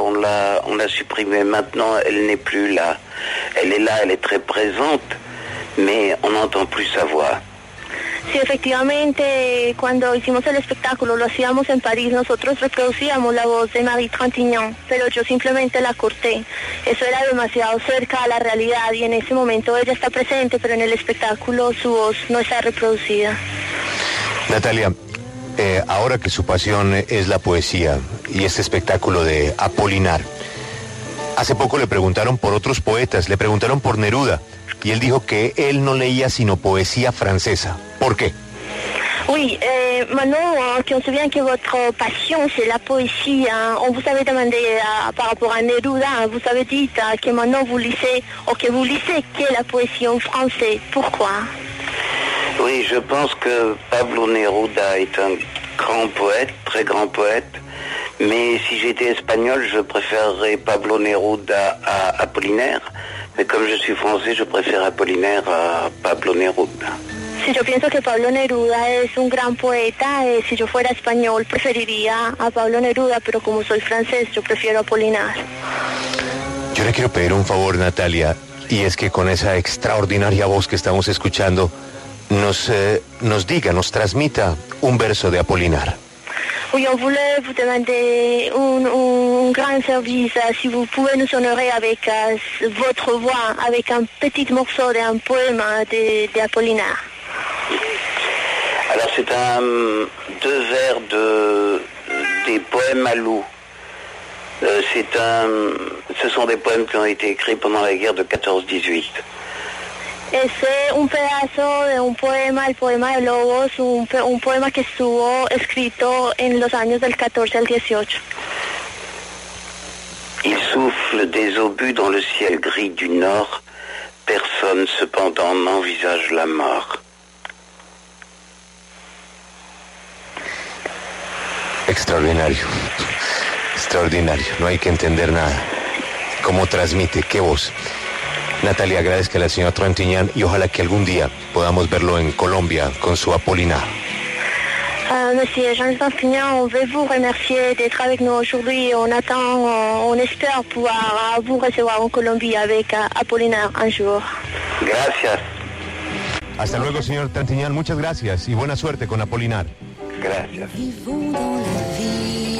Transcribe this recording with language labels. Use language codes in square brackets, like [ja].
[fr] On l'a supprimé. Maintenant, elle n'est plus là. Elle est là, elle est très présente. mais on n'entend plus sa voix. [es] Sí, efectivamente, cuando hicimos el espectáculo, lo hacíamos en París, nosotros reproducíamos la voz de Marie Trintignant, pero yo simplemente la corté. Eso era demasiado cerca a la realidad y en ese momento ella está presente, pero en el espectáculo su voz no está reproducida. Natalia, ahora que su pasión es la poesía y este espectáculo de Apolinar, hace poco le preguntaron por otros poetas, le preguntaron por Neruda, y él dijo que él no leía sino poesía francesa. ¿Por qué? [fr] Oui, maintenant qu'on se vient que votre passion c'est la poésie, hein, on vous avait demandé par rapport à Neruda, hein, vous avez dit que maintenant vous lisez, ou que vous lisez que la poésie en français. Pourquoi? Oui, je pense que Pablo Neruda est un grand poète, très grand poète, mais si j'étais espagnol, je préférerais Pablo Neruda à Apollinaire, mais comme je suis français, je préfère Apollinaire à Pablo Neruda. [es] Si yo pienso que Pablo Neruda es un gran poeta, si yo fuera español preferiría a Pablo Neruda, pero como soy francés yo prefiero a Apolinar. Yo le quiero pedir un favor, Natalia, y es que con esa extraordinaria voz que estamos escuchando nos diga, nos transmita un verso de Apolinar. [fr] Oui, on voulait vous demander un grand service, si vous pouvez nous honorer avec votre voix, avec un petit morceau d'un poème de Apolinar. Alors c'est deux vers des poèmes à loup. Ce sont des poèmes qui ont été écrits pendant la guerre de 14-18. C'est un [es] pedazo de un poema, el poema de Lobos, un poema que estuvo escrito en los años del 14 al 18. [fr] Il souffle des obus dans le ciel gris du nord, personne cependant n'envisage la mort. [es] Extraordinario, extraordinario, no hay que entender nada. ¿Cómo transmite? ¿Qué voz? Natalia, agradezca a la señora Trintignant y ojalá que algún día podamos verlo en Colombia con su Apolinar. [fr] Monsieur Jean Trintignant, on veut vous remercier d'être avec nous aujourd'hui. On espère pouvoir vous recevoir en Colombie avec Apolinar un jour. [es] Gracias. Hasta luego, señor Trintignant. Muchas gracias y buena suerte con Apolinar. Gracias. [fr] Vivons dans la vie.